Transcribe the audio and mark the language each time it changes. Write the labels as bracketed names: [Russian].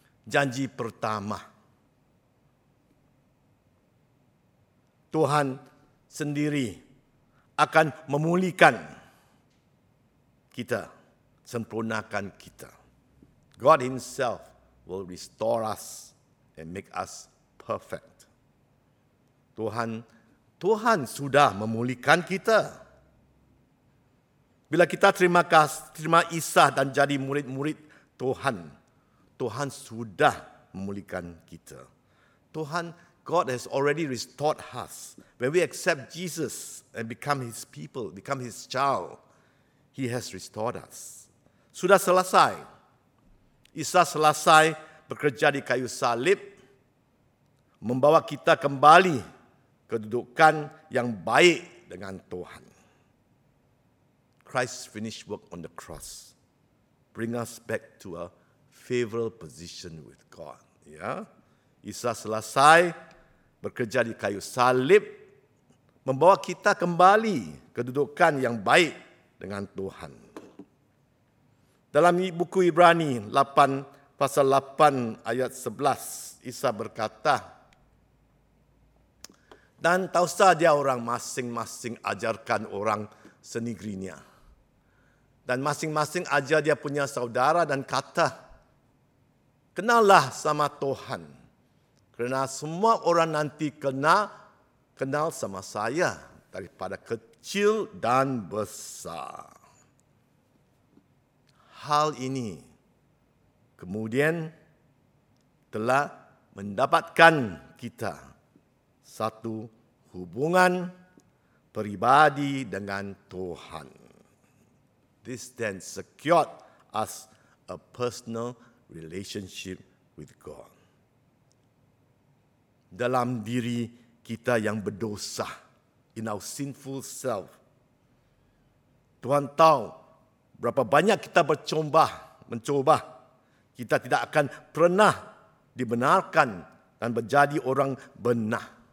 [Malay] Janji pertama, Tuhan sendiri akan memulihkan kita, sempurnakan kita. [English] God Himself will restore us and make us perfect. [Malay] Tuhan sudah memulihkan kita. Bila kita terima Isa dan jadi murid-murid Tuhan, Tuhan sudah memulihkan kita. [English] Tuhan, God has already restored us. When we accept Jesus and become His people, become His child, He has restored us. [Malay] Sudah selesai. Isa selesai bekerja di kayu salib, membawa kita kembali ke kedudukan yang baik dengan Tuhan. [English] Christ's finished work on the cross bring us back to a favorable position with God. [Malay] Isa selesai bekerja di kayu salib membawa kita kembali kedudukan yang baik dengan Tuhan. Dalam buku Ibrani 8 pasal 8 ayat 11, Isa berkata, dan tahu sah dia orang masing-masing ajarkan orang senegrinya. Dan masing-masing ajar dia punya saudara dan kata, Kenallah sama Tuhan. Karena semua orang nanti kenal sama saya. Daripada kecil dan besar. Hal ini kemudian telah mendapatkan kita satu hubungan pribadi dengan Tuhan. [English] This then secured us a personal relationship with God. [Malay] Dalam diri kita yang berdosa, [English] in our sinful self, [Malay] Tuhan tahu berapa banyak kita mencoba, kita tidak akan pernah dibenarkan dan menjadi orang benar.